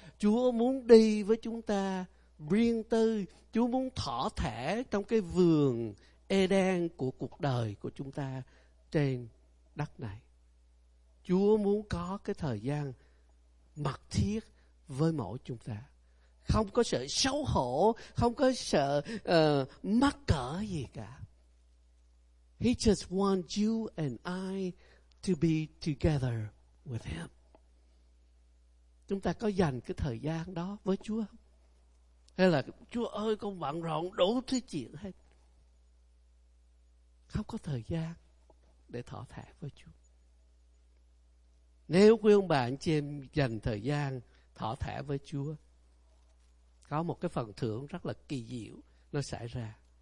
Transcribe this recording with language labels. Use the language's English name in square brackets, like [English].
[Vietnamese] Chúa muốn đi với chúng ta riêng tư, Chúa muốn thỏ thẻ trong cái vườn Eden của cuộc đời của chúng ta trên đất này. Chúa muốn có cái thời gian mật thiết với mỗi chúng ta, không có sự xấu hổ, không có sự mắc cỡ gì cả. [English] He just wants you and I to be together with him. [Vietnamese] Chúng ta có dành cái thời gian đó với Chúa không? Hay là Chúa ơi con bận rộn đủ thứ chuyện hết, không có thời gian để thỏ thẻ với Chúa. Nếu quý ông bà anh chị em dành thời gian thỏ thẻ với Chúa, có một cái phần thưởng rất là kỳ diệu nó xảy ra.